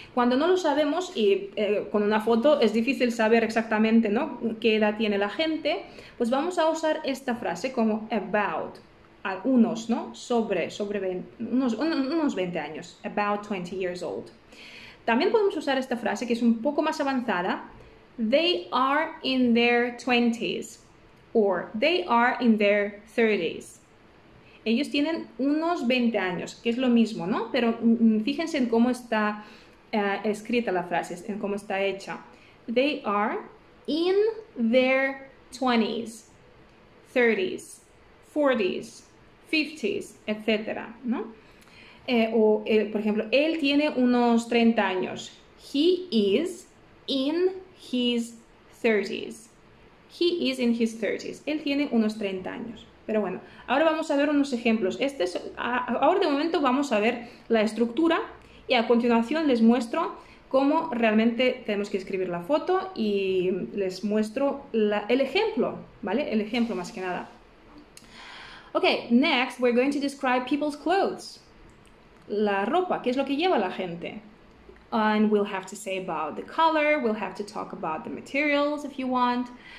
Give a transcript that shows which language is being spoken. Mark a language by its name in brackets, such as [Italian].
[Spanish] Cuando no lo sabemos y con una foto es difícil saber exactamente, ¿no? Qué edad tiene la gente, pues vamos a usar esta frase como about, a unos, ¿no? Sobre 20, unos 20 años, [English] about 20 years old. [Spanish] También podemos usar esta frase que es un poco más avanzada, [English] they are in their 20s or they are in their 30s. [Spanish] Ellos tienen unos 20 años, que es lo mismo, ¿no? Pero fíjense en cómo está escrita la frase, en cómo está hecha. [English] They are in their 20s, 30s, 40s, 50s, etc. ¿No? [Spanish] O, por ejemplo, él tiene unos 30 años. [English] He is in his 30s. He is in his 30s. [Spanish] Él tiene unos 30 años. Pero bueno, ahora vamos a ver unos ejemplos. Este es, ahora de momento vamos a ver la estructura y a continuación les muestro cómo realmente tenemos que escribir la foto y les muestro el ejemplo, ¿vale? El ejemplo más que nada. [English] Okay, next we're going to describe people's clothes. [Spanish] La ropa, ¿qué es lo que lleva la gente? [English] And we'll have to say about the color, we'll have to talk about the materials if you want.